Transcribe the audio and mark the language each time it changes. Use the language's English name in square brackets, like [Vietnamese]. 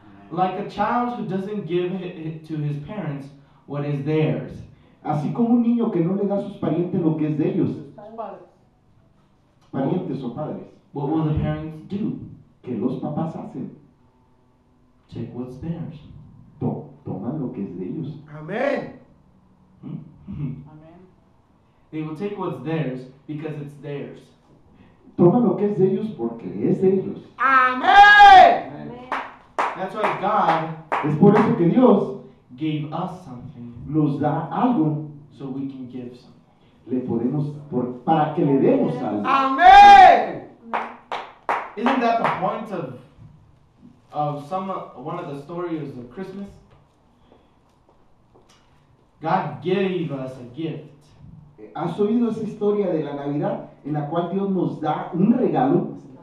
[English] Like a child who doesn't give it to his parents what is theirs, [Spanish] así como un niño que no le da a sus parientes lo que es de ellos, parientes o padres, [English] what will the parents do? [Spanish] Que los papás hacen. [English] Check what's theirs. [Spanish] Toman lo que es de ellos. Amén. Amén. [English] They will take what's theirs because it's theirs. [Spanish] Toman lo que es de ellos porque es de ellos. Amén. [English] That's why God, [Spanish] es por eso que Dios, [English] gave us something, [Spanish] nos da algo, [English] so we can give something. [Spanish] Le podemos, por, para que le demos algo. Amén. [English] Isn't that the point of some one of the stories of Christmas? God gave us a gift. [Spanish] ¿Has oído esa historia de la Navidad en la cual Dios nos da un regalo?